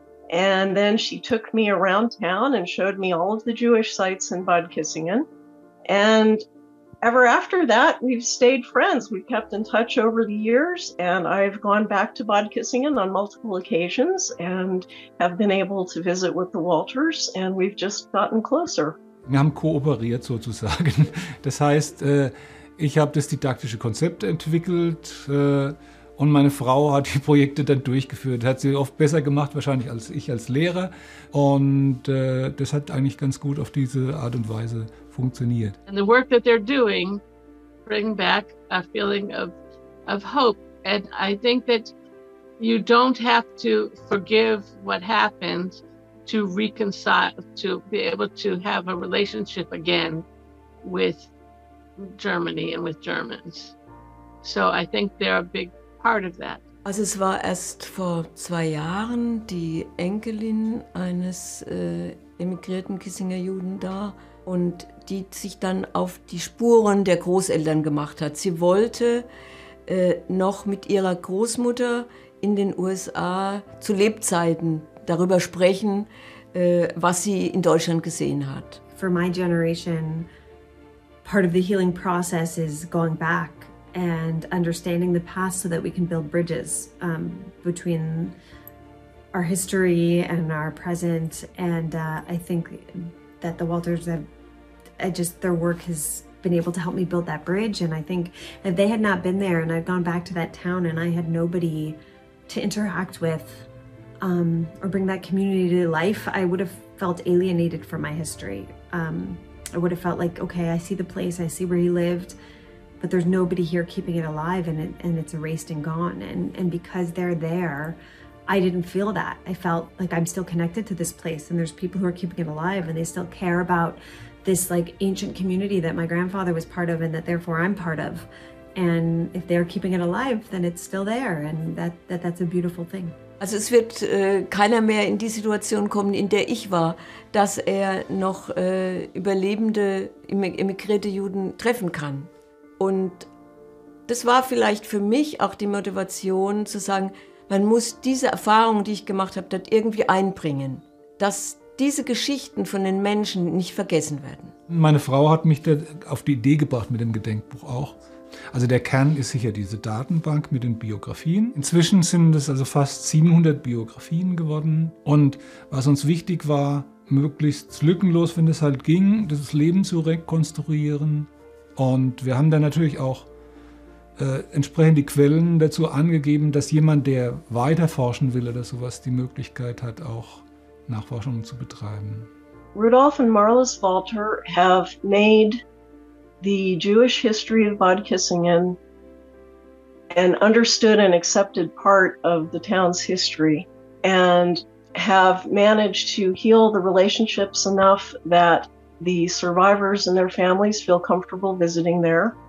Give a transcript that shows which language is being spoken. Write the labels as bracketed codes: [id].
[en] And then she took me around town and showed me all of the Jewish sites in Bad Kissingen. And ever after that, we've stayed friends. We've kept in touch over the years. And I've gone back to Bad Kissingen on multiple occasions and have been able to visit with the Walters. And we've just gotten closer. [de] Wir haben kooperiert sozusagen. Das heißt, ich habe das didaktische Konzept entwickelt. Und meine Frau hat die Projekte dann durchgeführt, hat sie oft besser gemacht, wahrscheinlich als ich als Lehrer. Und das hat eigentlich ganz gut auf diese Art und Weise funktioniert. [en] And the work that they're doing bring back a feeling of hope. And I think that you don't have to forgive what happened to reconcile, to be able to have a relationship again with Germany and with Germans. So I think they're a big part of that. [de] Also es war erst vor zwei Jahren die Enkelin eines emigrierten Kissinger Juden da und die sich dann auf die Spuren der Großeltern gemacht hat. Sie wollte noch mit ihrer Großmutter in den USA zu Lebzeiten darüber sprechen, was sie in Deutschland gesehen hat. [en] For my generation, part of the healing process is going back and understanding the past so that we can build bridges between our history and our present. And I think that the Walters have, their work has been able to help me build that bridge. And I think if they had not been there and I'd gone back to that town and I had nobody to interact with or bring that community to life, I would have felt alienated from my history. I would have felt like, okay, I see the place, I see where he lived, but there's nobody here keeping it alive, and it's erased and gone. And because they're there, I didn't feel that. I felt like I'm still connected to this place, and there's people who are keeping it alive, and they still care about this like ancient community that my grandfather was part of and that therefore I'm part of. And if they're keeping it alive, then it's still there, and that's a beautiful thing. [de] Also es wird keiner mehr in die Situation kommen, in der ich war, dass er noch überlebende, emigrierte Juden treffen kann. Und das war vielleicht für mich auch die Motivation zu sagen, man muss diese Erfahrung, die ich gemacht habe, dort irgendwie einbringen, dass diese Geschichten von den Menschen nicht vergessen werden. Meine Frau hat mich da auf die Idee gebracht mit dem Gedenkbuch auch. Also der Kern ist sicher diese Datenbank mit den Biografien. Inzwischen sind es also fast 700 Biografien geworden. Und was uns wichtig war, möglichst lückenlos, wenn es halt ging, das Leben zu rekonstruieren. Und wir haben dann natürlich auch entsprechend die Quellen dazu angegeben, dass jemand, der weiter forschen will oder sowas, die Möglichkeit hat, auch Nachforschungen zu betreiben. [en] Rudolf und Marlies Walter have made the Jewish history of Bad Kissingen an understood and accepted part of the town's history, and have managed to heal the relationships enough that the survivors and their families feel comfortable visiting there.